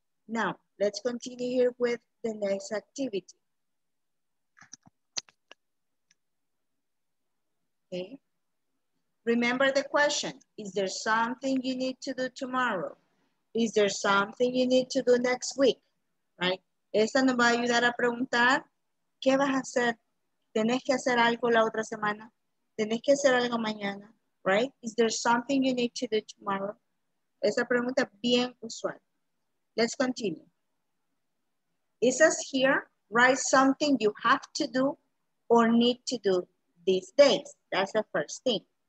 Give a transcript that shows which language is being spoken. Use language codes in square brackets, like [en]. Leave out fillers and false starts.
[en] Now, let's continue here with the next activity. Okay. Remember the question, is there something you need to do tomorrow? Is there something you need to do next week? Right? [es] Esa nos va a ayudar a preguntar, ¿qué vas a hacer? ¿Tenés que hacer algo la otra semana? ¿Tenés que hacer algo mañana? Right? [en] Is there something you need to do tomorrow? [es] Esa pregunta bien usual. [en] Let's continue. It says here, write something you have to do or need to do these days. That's the first thing.